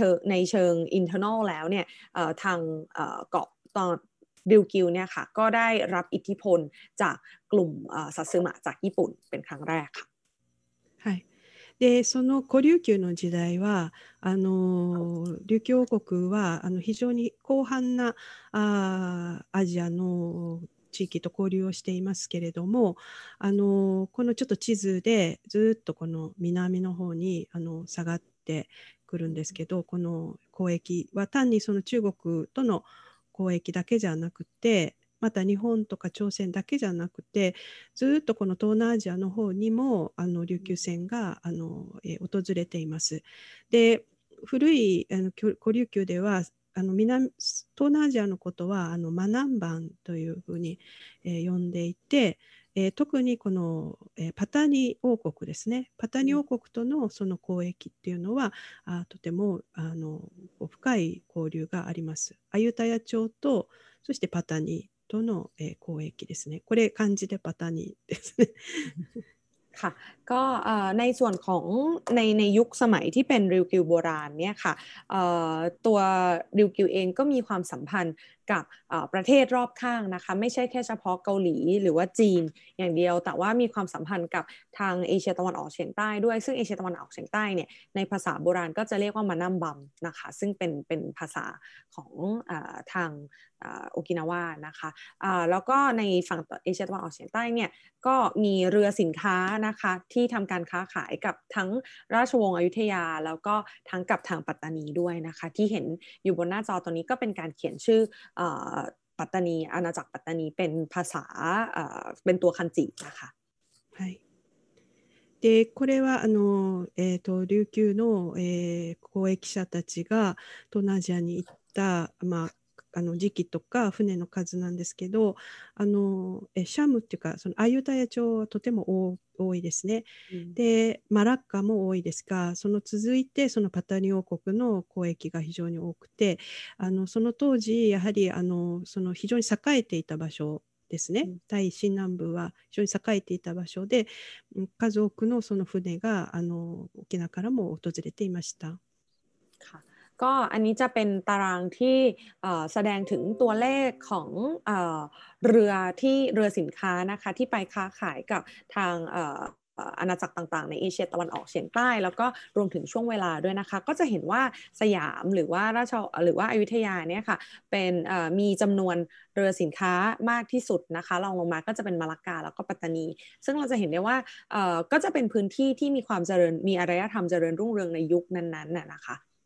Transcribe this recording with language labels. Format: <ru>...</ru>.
<th>ในเชิง internal แล้วเนี่ยทางเกาะตอนริวกิวเนี่ยค่ะก็ได้รับอิทธิพลจากกลุ่มซัตสึมะจากญี่ปุ่นเป็นครั้งแรกค่ะ ใช่</th> <ja>でそのコリュウキュの時代はあの琉球王国はあの非常に広範なアジアの地域と交流をしていますけれどもあのこのちょっと地図でずっとこの南の方にあの下がってくるんですけどこの交易は単にその中国との交易だけじゃなくてまた日本とか朝鮮だけじゃなくてずっとこの東南アジアの方にもあの琉球船があの訪れていますで古いあの古琉球ではあの南東南アジアのことはあのマナンバンというふうに、呼んでいて、特にこの、パタニ王国ですねパタニ王国とのその交易っていうのはあとてもあの深い交流がありますアユタヤ町とそしてパタニとの、交易ですねこれ漢字でパタニですね</ja> <th>ค่ะก็ในส่วนของในยุคสมัยที่เป็นริวกิวโบราณเนี่ยค่ะตัวริวกิวเองก็มีความสัมพันธ์กับประเทศรอบข้างนะคะไม่ใช่แค่เฉพาะเกาหลีหรือว่าจีนอย่างเดียวแต่ว่ามีความสัมพันธ์กับทางเอเชียตะวันออกเฉียงใต้ด้วยซึ่งเอเชียตะวันออกเฉียงใต้เนี่ยในภาษาโบราณก็จะเรียกว่ามานัมบัมนะคะซึ่งเป็นภาษาของ ทางโอกินาวานะคะแล้วก็ในฝั่งเอเชียตะวันออกเฉียงใต้เนี่ยก็มีเรือสินค้านะคะที่ทำการค้าขายกับทั้งราชวงศ์อยุธยาแล้วก็ทั้งกับทางปัตตานีด้วยนะคะที่เห็นอยู่บนหน้าจอตอนนี้ก็เป็นการเขียนชื่อปัตตานีอาณาจักรปัตตานีเป็นภาษาเป็นตัวคันจินะคะ ใช่</th> <ja>でこれはあの琉球の交易者たちが東南アジアに行ったまああの時期とか船の数なんですけどあのシャムっていうかそのアユタヤ町はとても多いですね、うん、でマラッカも多いですがその続いてそのパタニ王国の交易が非常に多くてあのその当時やはりあのその非常に栄えていた場所ですね、うん、タイ新南部は非常に栄えていた場所で数多くのその船があの沖縄からも訪れていました</ja> <th>ก็อันนี้จะเป็นตารางที่แสดงถึงตัวเลขของเรือที่เรือสินค้านะคะที่ไปค้าขายกับทางอาณาจักรต่างๆในเอเชียตะวันออกเฉียงใต้แล้วก็รวมถึงช่วงเวลาด้วยนะคะก็จะเห็นว่าสยามหรือว่าราชหรือว่าอยุธยาเนี่ยค่ะเป็นมีจำนวนเรือสินค้ามากที่สุดนะคะรองลงมาก็จะเป็นมาลากาแล้วก็ปัตตานีซึ่งเราจะเห็นได้ว่าก็จะเป็นพื้นที่ที่มีความเจริญมีอารยธรรมเจริญรุ่งเรืองในยุคนั้นๆนะคะ</th>